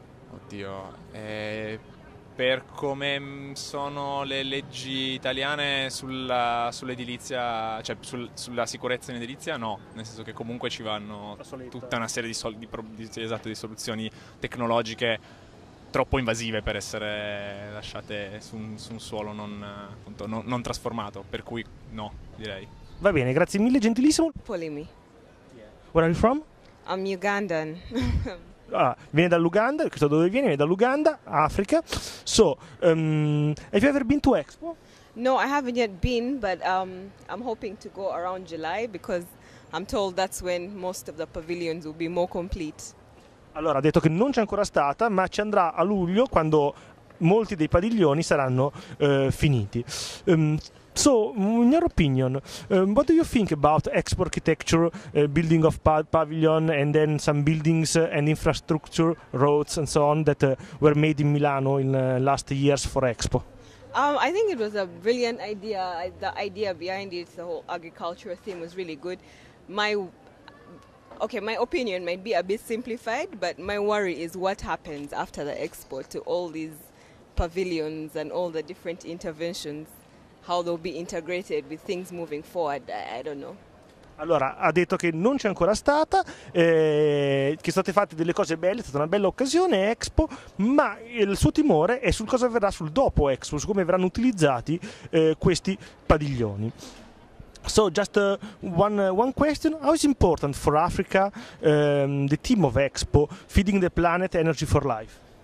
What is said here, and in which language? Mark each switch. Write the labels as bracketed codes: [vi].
[it] Oddio, per come sono le leggi italiane sull'edilizia, cioè sulla sicurezza in edilizia, no, nel senso che comunque ci vanno tutta una serie di soluzioni tecnologiche troppo invasive per essere lasciate su un suolo non trasformato, per cui no, direi. Va bene, grazie mille, gentilissimo. Polimi. [en] Where are you from? I'm Ugandan. [it] Ah, viene dall'Uganda, chissà dove viene, viene dall'Uganda, Africa. [en] So, have you ever been to Expo? No, I haven't yet been, but I'm hoping to go around July because I'm told that's when most of the pavilions will be more complete. [it] Allora, ha detto che non c'è ancora stata, ma ci andrà a luglio, quando molti dei padiglioni saranno finiti. [en] So, in your opinion, what do you think about Expo architecture, building of pavilion, and then some buildings and infrastructure, roads and so on, that were made in Milano in last years for Expo? I think it was a brilliant idea. The idea behind it, the whole agriculture theme, was really good. My opinion might be a bit simplified, but my worry is what happens after the Expo to all these pavilions and all the different interventions, how they'll be integrated with things moving forward, I don't know. [it] Allora, ha detto che non c'è ancora stata, che state fatte delle cose belle, è stata una bella occasione Expo, ma il suo timore è sul cosa avverrà sul dopo Expo, su come verranno utilizzati questi padiglioni. [en] So just one question: how is important for Africa the theme of Expo, feeding the planet, energy for life?